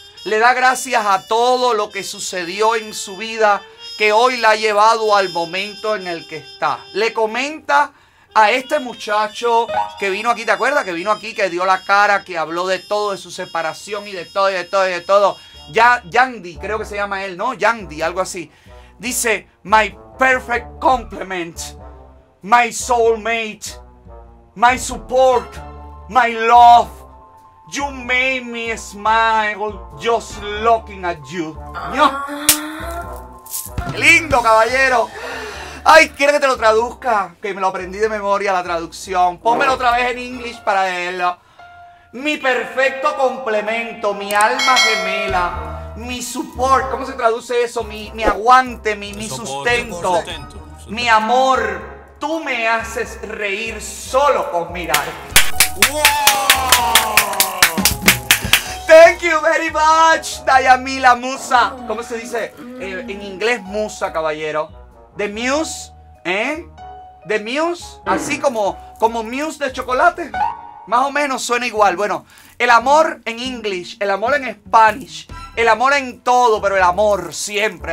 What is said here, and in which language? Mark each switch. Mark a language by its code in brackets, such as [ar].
[es] Le da gracias a todo lo que sucedió en su vida que hoy la ha llevado al momento en el que está. Le comenta a este muchacho que vino aquí, ¿te acuerdas? Que vino aquí, que dio la cara, que habló de todo, de su separación y de todo, y de todo, y de todo. Ya, Yandy, creo que se llama él, ¿no? Yandy, algo así. Dice, [en] my perfect compliment, my soulmate, my support, my love. You made me smile just looking at you. [es] ¡No! ¡Qué lindo, caballero! Ay, ¿quieres que te lo traduzca? Que me lo aprendí de memoria la traducción. Pónmelo otra vez en inglés para leerlo. Mi perfecto complemento, mi alma gemela, mi support. ¿Cómo se traduce eso? Mi aguante, mi sustento, mi amor. Tú me haces reír solo con mirarte. ¡Wow! [en] Thank you very much, Dayamila Musa. [es] ¿Cómo se dice en inglés musa, caballero? [en] The Muse, [es] ¿eh? [en] The Muse, [es] así como Muse de chocolate. Más o menos suena igual. Bueno, el amor en inglés, el amor en Spanish, el amor en todo, pero el amor siempre.